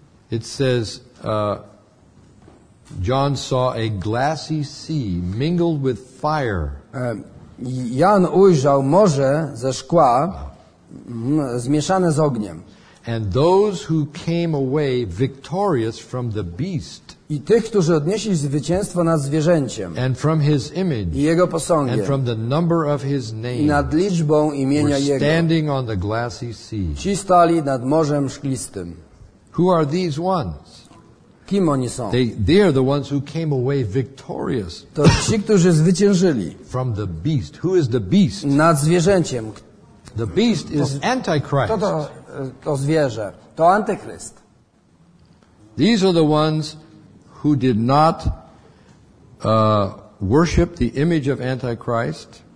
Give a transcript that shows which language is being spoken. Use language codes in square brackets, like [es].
[en] it says, John saw a glassy sea mingled with fire. [pl] Jan ujrzał morze ze szkła zmieszane z ogniem. [en] And those who came away victorious from the beast. [pl] I tych, którzy odnieśli zwycięstwo nad zwierzęciem. [en] And from his image. [pl] I jego posągiem. [en] And from the number of his name. [pl] I nad liczbą imienia jego. [en] Standing on the glassy sea. [pl] Ci stali nad morzem szklistym. [en] Who are these ones? [pl] Kim oni są? [en] They are the ones who came away victorious. [pl] To ci, którzy zwyciężyli. [en] From the beast. Who is the beast? [pl] Nad zwierzęciem. [en] The beast is Antichrist. [pl] To zwierzę, to antychryst. [en] These are the ones who did not worship the image of Antichrist.